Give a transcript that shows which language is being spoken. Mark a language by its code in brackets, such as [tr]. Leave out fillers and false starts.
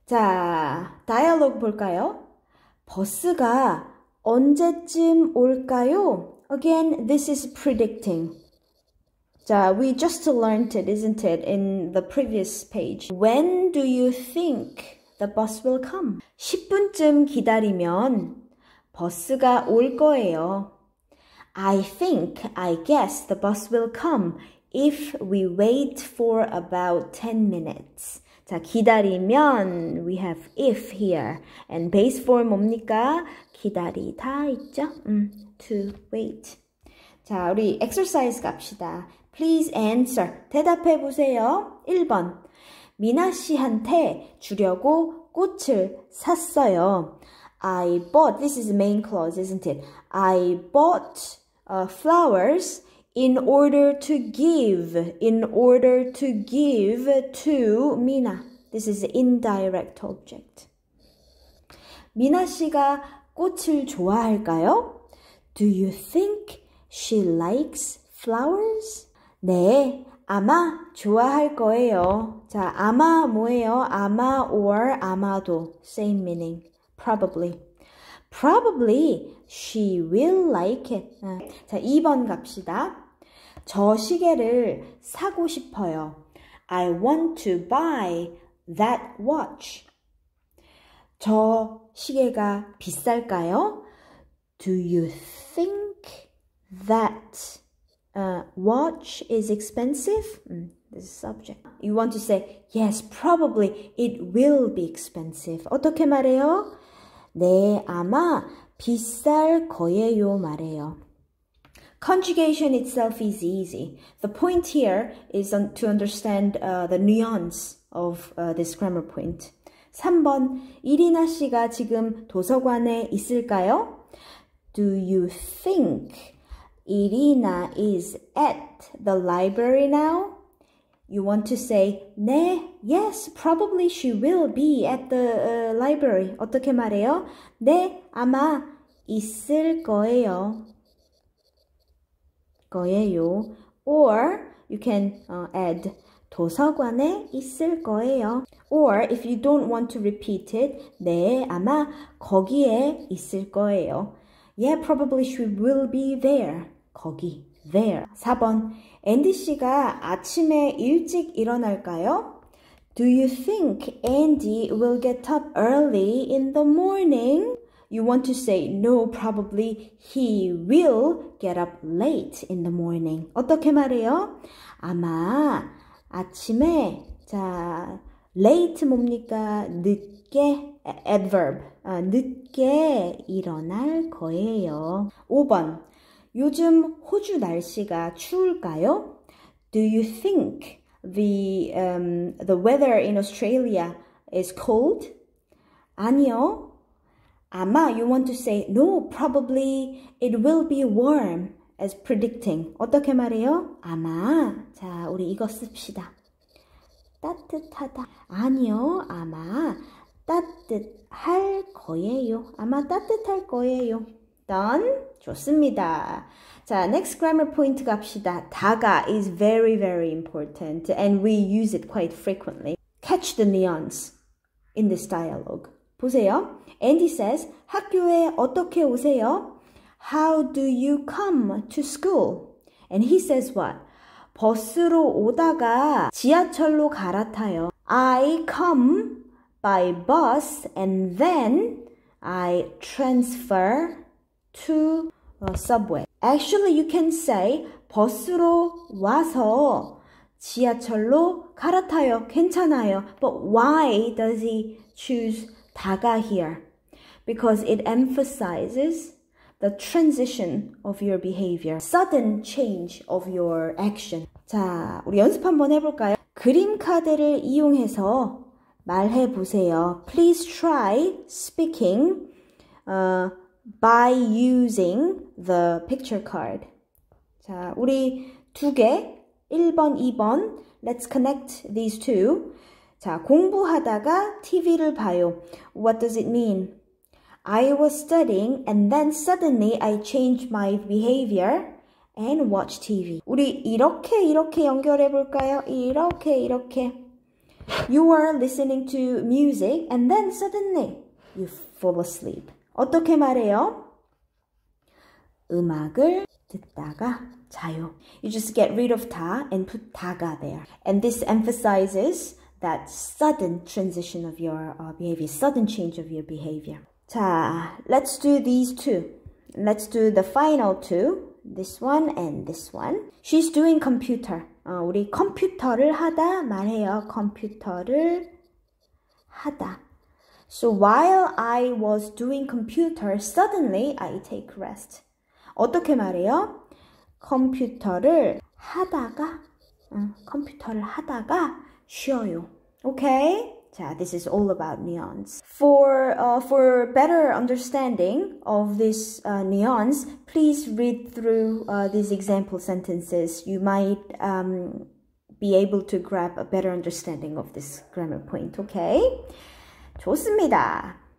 [ko] 자, 다이얼로그 볼까요? 버스가 언제쯤 올까요? [en] Again, this is predicting. We just learned it, isn't it, in the previous page. When do you think the bus will come? [ko] 10분쯤 기다리면 버스가 올 거예요. [en] I think, I guess the bus will come if we wait for about 10 minutes. 자, [ko] 기다리면, [en] we have if here. And base form [ko] 뭡니까? 기다리다 있죠? [en] To wait. [ko] 자, 우리 exercise 갑시다. [en] Please answer. [ko] 대답해 보세요. 1번. 미나 씨한테 주려고 꽃을 샀어요. [en] I bought, this is the main clause, isn't it? I bought flowers in order to give, in order to give to 미나. This is the indirect object. [ko] 미나 씨가 꽃을 좋아할까요? [en] Do you think she likes flowers? 네, [ko] 아마 좋아할 거예요. 자, 아마 뭐예요? [en] 아마 or 아마도 same meaning. Probably. Probably she will like it. [ko] 자, 2번 갑시다. 저 시계를 사고 싶어요. [en] I want to buy that watch. [ko] 저 시계가 비쌀까요? [en] Do you think that watch is expensive? This is subject. You want to say, yes, probably it will be expensive. [ko] 어떻게 말해요? 네, 아마 비쌀 거예요 말해요. [en] Conjugation itself is easy. The point here is to understand the nuance of this grammar point. [ko] 3번, 이리나 씨가 지금 도서관에 있을까요? [en] Do you think Irina is at the library now? You want to say, 네, yes, probably she will be at the library. [ko] 어떻게 말해요? 네, 아마 있을 거예요. 거예요. [en] Or you can add [ko] 도서관에 있을 거예요. [en] Or if you don't want to repeat it, [ko] 네, 아마 거기에 있을 거예요. [en] Yeah, probably she will be there. 거기, there. [ko] 4번, 앤디 씨가 아침에 일찍 일어날까요? [en] Do you think Andy will get up early in the morning? You want to say, no, probably he will get up late in the morning. [ko] 어떻게 말해요? 아마 아침에, 자, late 뭡니까? 늦게, adverb. 늦게 일어날 거예요. 5번, 요즘 호주 날씨가 추울까요? [en] Do you think the weather in Australia is cold? [ko] 아니요. 아마, [en] you want to say, no, probably it will be warm as predicting. [ko] 어떻게 말해요? 아마, 자, 우리 이거 씁시다. 따뜻하다. 아니요, 아마 따뜻할 거예요. 아마 따뜻할 거예요. [en] Done? [ko] 좋습니다. [en] 자, next grammar point 갑시다. 다가 is very, very important and we use it quite frequently. Catch the nuance in this dialogue. [ko] 보세요. [en] Andy says, [ko] 학교에 어떻게 오세요? [en] How do you come to school? And he says what? [ko] 버스로 오다가 지하철로 갈아타요. [en] I come by bus and then I transfer to subway. Actually, you can say [ko] 버스로 와서 지하철로 갈아타요. 괜찮아요. [en] But why does he choose 다가 here? Because it emphasizes the transition of your behavior. Sudden change of your action. [ko] 자, 우리 연습 한번 해볼까요? 그림 카드를 이용해서 말해보세요. [en] Please try speaking by using the picture card. [ko] 자, 우리 두 개, 1번, 2번. [en] Let's connect these two. [ko] 자, 공부하다가 TV를 봐요. [en] What does it mean? I was studying and then suddenly I changed my behavior and watch TV. [ko] 우리 이렇게 이렇게 연결해 볼까요? 이렇게 이렇게. [en] You were listening to music and then suddenly you fall asleep. [ko] 어떻게 말해요? 음악을 듣다가 자요. [en] You just get rid of 다 and put 다가 there. And this emphasizes that sudden transition of your behavior, sudden change of your behavior. 자, let's do these two. Let's do the final two. This one and this one. She's doing computer. [ko] 우리 컴퓨터를 하다 말해요. 컴퓨터를 하다. [en] So while I was doing computer, suddenly I take rest. [ko] 어떻게 말해요? 컴퓨터를 하다가, 컴퓨터를 하다가 쉬어요. [en] Okay? So this is all about nuance. For better understanding of this nuance, please read through these example sentences. You might be able to grab a better understanding of this grammar point, okay? [ko] 좋습니다.